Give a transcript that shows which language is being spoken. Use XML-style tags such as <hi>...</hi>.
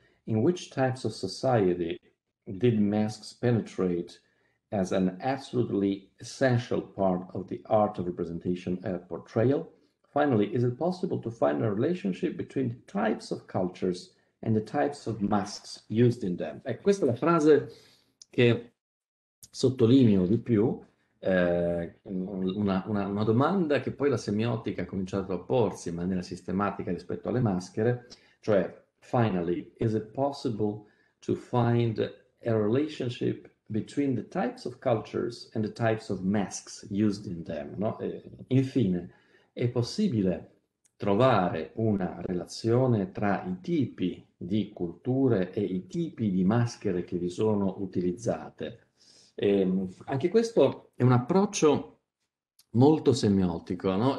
<en>In which types of society did masks penetrate as an absolutely essential part of the art of representation and portrayal? Finally, is it possible to find a relationship between the types of cultures and the types of masks used in them?"</en> <it>Ecco, questa è la frase che sottolineo di più, una domanda che poi la semiotica ha cominciato a porsi in maniera sistematica rispetto alle maschere, cioè,</it> <en>finally, is it possible to find a a relationship between the types of cultures and the types of masks used in them, no?</en> <it>Infine, è possibile trovare una relazione tra i tipi di culture e i tipi di maschere che vi sono utilizzate? Anche questo è un approccio molto semiotico, no?</it>